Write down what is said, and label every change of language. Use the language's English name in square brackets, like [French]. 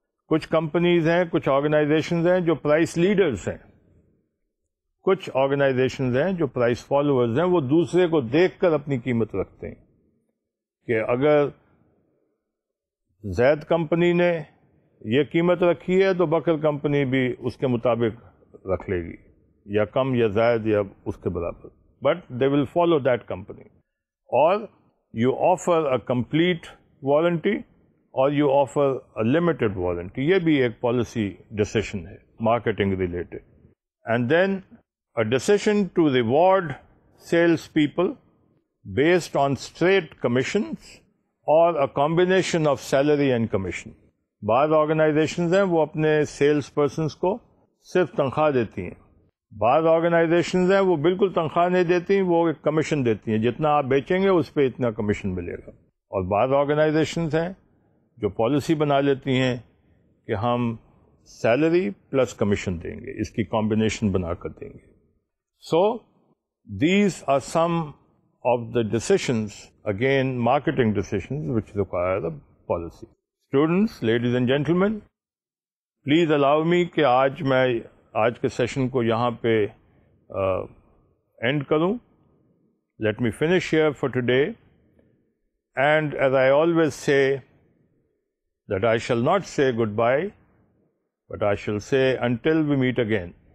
[Urdu] کچھ کمپنیز ہیں, کچھ آرگنائزیشنز ہیں جو پرائس لیڈرز ہیں, کچھ آرگنائزیشنز ہیں جو پرائس فالوورز ہیں, وہ دوسرے کو دیکھ کر اپنی قیمت رکھتے ہیں کہ اگر زید کمپنی نے یہ قیمت رکھی ہے تو بکر کمپنی بھی اس کے مطابق رکھ لے گی, یا کم یا زائد یا اس کے برابر, [English] But they will follow that company. اور you offer a complete warranty اور you offer a limited warranty, [Urdu] یہ بھی ایک پالیسی ڈیسیشن ہے marketing related. [English] And then a decision to reward sales people based on straight commissions or a combination of salary and commission. [Urdu] باہر organisations ہیں وہ اپنے sales persons کو صرف تنخواہ دیتی ہیں, باہر آرگنائزیشنز ہیں وہ بالکل تنخواہ نہیں دیتی, وہ ایک کمیشن دیتی ہیں, جتنا آپ بیچیں گے اس پہ اتنا کمیشن ملے گا. اور باہر آرگنائزیشنز ہیں جو پالیسی بنا لیتی ہیں کہ ہم سیلری پلس کمیشن دیں گے, اس کی کمبینیشن بنا کر دیں گے. [English] So these are some of the decisions, again marketing decisions which require the policy. [Urdu] Students, [English] ladies and gentlemen, please allow me [Urdu] کہ آج کے سیشن کو یہاں پہ اینڈ کروں. [English] Let me finish here for today, and as I always say that I shall not say goodbye, but I shall say until we meet again.